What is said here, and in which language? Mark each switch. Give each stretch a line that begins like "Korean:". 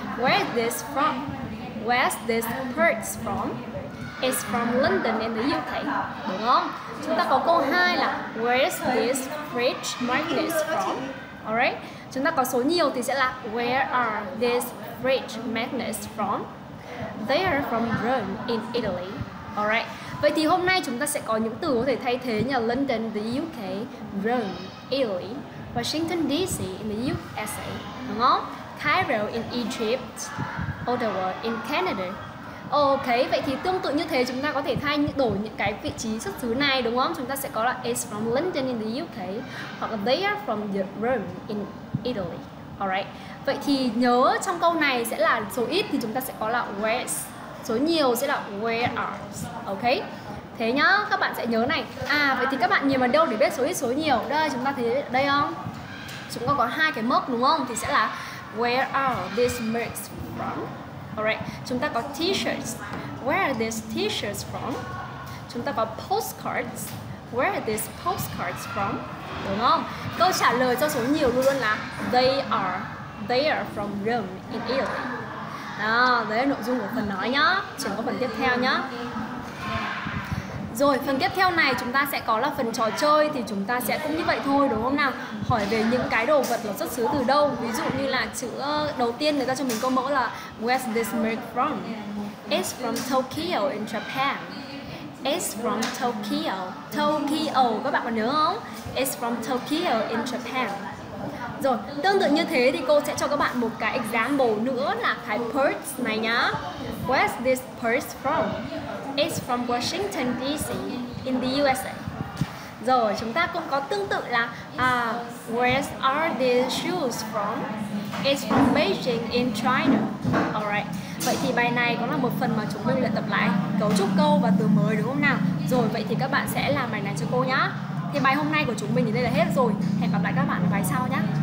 English: Where's this from? Where's this purse from? It's from London in the UK,
Vietnamese: đúng không? Chúng ta có câu 2 là
English: where's this fridge magnets from?
Vietnamese: Alright, chúng ta có số nhiều thì sẽ là
English: where are these fridge magnets from? They are from Rome in Italy.
Vietnamese: Alright, vậy thì hôm nay chúng ta sẽ có những từ có thể thay thế như London, the UK, Rome, Italy, Washington DC in the USA, đúng không?
English: Cairo in Egypt, Ottawa in Canada.
Vietnamese: Ok, vậy thì tương tự như thế chúng ta có thể thay đổi những cái vị trí xuất xứ này, đúng không? Chúng ta sẽ có là
English: it's from London in the UK
Vietnamese: hoặc là
English: they are from Rome in Italy.
Vietnamese: Alright, vậy thì nhớ trong câu này sẽ là số ít thì chúng ta sẽ có là where's, số nhiều sẽ là where are. Ok, thế nhá, các bạn sẽ nhớ này. À, vậy thì các bạn nhìn vào đâu để biết số ít số nhiều? Đây, chúng ta thấy đây không? Chúng ta có hai cái mốc đúng không? Thì sẽ là
English: where are these mugs from?
Vietnamese: Alright, chúng ta có t-shirts.
English: Where are these t-shirts from?
Vietnamese: Chúng ta có postcards.
English: Where are these postcards from?
Vietnamese: Đúng không? Câu trả lời cho số nhiều luôn luôn là
English: They are from Rome in Italy.
Vietnamese: Đó, đấy là nội dung của phần nói nhá. Chuyển qua phần tiếp theo nhá. Rồi, phần tiếp theo này chúng ta sẽ có là phần trò chơi. Thì chúng ta sẽ cũng như vậy thôi, đúng không nào? Hỏi về những cái đồ vật nó xuất xứ từ đâu. Ví dụ như là chữ đầu tiên người ta cho mình câu mẫu là
English: where's this milk from? It's from Tokyo in Japan. It's from Tokyo. Tokyo,
Vietnamese: các bạn còn nhớ không?
English: It's from Tokyo in Japan.
Vietnamese: Rồi, tương tự như thế thì cô sẽ cho các bạn một cái example nữa là cái purse này nhá.
English: Where's this purse from? It's from Washington DC in the USA.
Vietnamese: Rồi, chúng ta cũng có tương tự là
English: where are these shoes from? It's from Beijing in China. Alright.
Vietnamese: Vậy thì bài này cũng là một phần mà chúng mình luyện tập lại cấu trúc câu và từ mới đúng không nào? Rồi, vậy thì các bạn sẽ làm bài này cho cô nhá. Thì bài hôm nay của chúng mình đến đây là hết rồi. Hẹn gặp lại các bạn ở bài sau nhá.